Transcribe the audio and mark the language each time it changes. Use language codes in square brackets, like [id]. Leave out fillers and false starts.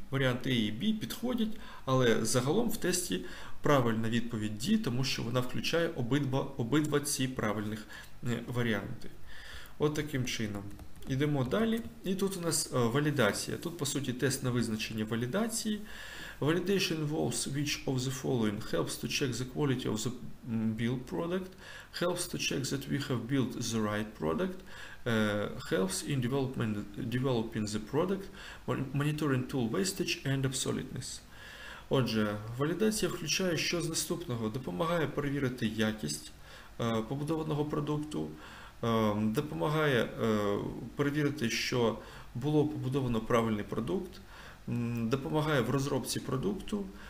[uk] Варіанти A і B підходять, але загалом в тесті правильна відповідь D, тому що вона включає обидва ці правильних варіанти. От таким чином. Йдемо далі. І тут у нас валідація. Тут, по суті, тест на визначення валідації. [en] Validation involves which of the following helps to check the quality of the build product, helps to check that we have built the right product, helps in developing the product, monitoring tool wastage and obsoleteness. [uk] Отже, валідація включає що з наступного? Допомагає перевірити якість побудованого продукту. Допомагає перевірити, що було побудовано правильний продукт, Допомагає в розробці продукту.